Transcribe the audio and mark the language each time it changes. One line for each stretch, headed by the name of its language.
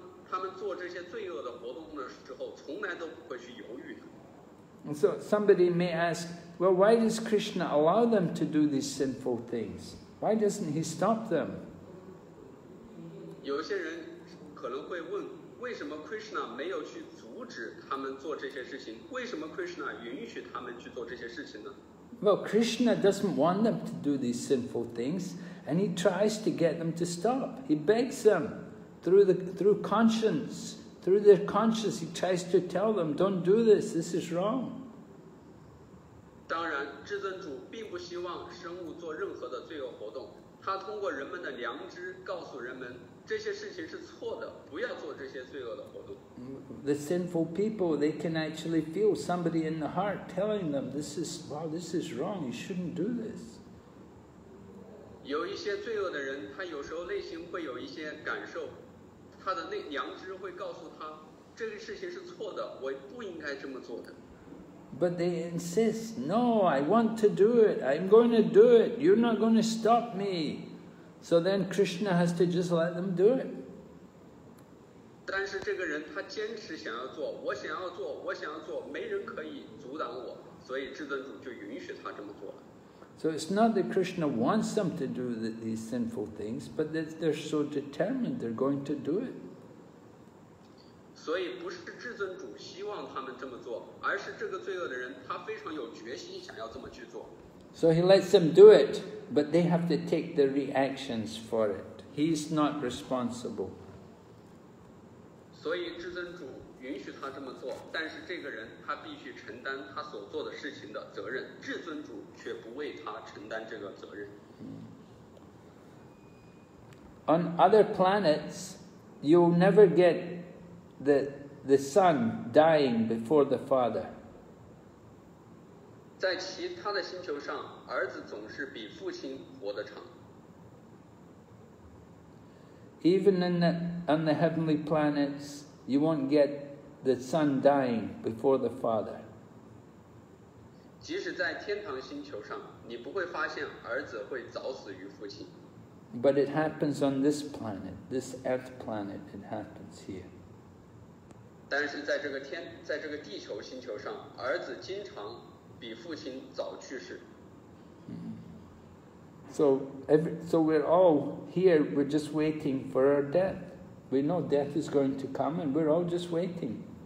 Chinese: 他们做这些罪恶的活动的时候，从来都不会去犹豫。
English: And so somebody may ask, well, why does Krishna allow them to do these sinful things? Why doesn't he stop them?
Chinese: 有些人可能会问，为什么 Krishna 没有去阻止他们做这些事情？为什么 Krishna 允许他们去做这些事情呢？
English: Well, Krishna doesn't want them to do these sinful things, and he tries to get them to stop. He begs them through conscience. Through their conscience, he tries to tell them, don't do this, this is wrong.
Chinese: 当然，至尊主并不希望生物做任何的罪恶活动。他通过人们的良知告诉人们，这些事情是错的，不要做这些罪恶的活动。
English: The sinful people, they can actually feel somebody in the heart telling them, this is wrong, you shouldn't do this.
Chinese: 有一些罪恶的人，他有时候内心会有一些感受。他的那良知会告诉他，这个事情是错的，我不应该这么做的。
English: But they insist, no, I want to do it, I'm going to do it, you're not going to stop me. So then Krishna has to just let them do it.
Chinese: 但是这个人他坚持想要做，我想要做，没人可以阻挡我，所以至尊主就允许他这么做了。
English: So it's not that Krishna wants them to do these sinful things, but that they're so determined they're going to do it.
Chinese: 所以不是至尊主希望他们这么做，而是这个罪恶的人他非常有决心想要这么去做。
English: So he lets them do it, but they have to take the reactions for it. He's not responsible.
Chinese: 所以至尊主允许他这么做，但是这个人他必须承担他所做的事情的责任，至尊主却不为他承担这个责任。
English: On other planets, you'll never get the son dying before the father.
Chinese: 在其他的星球上，儿子总是比父亲活得长。
English: Even on the heavenly planets, you won't get. The son dying before the father.
Chinese: 即使在天堂星球上，你不会发现儿子会早死于父亲。
English: But it happens on this planet, this earth planet, it happens here.
Chinese: 但是在这个地球星球上，儿子经常比父亲早去世。
English: So we're all here, we're just waiting for our death. We know death is going to come and we're all just waiting.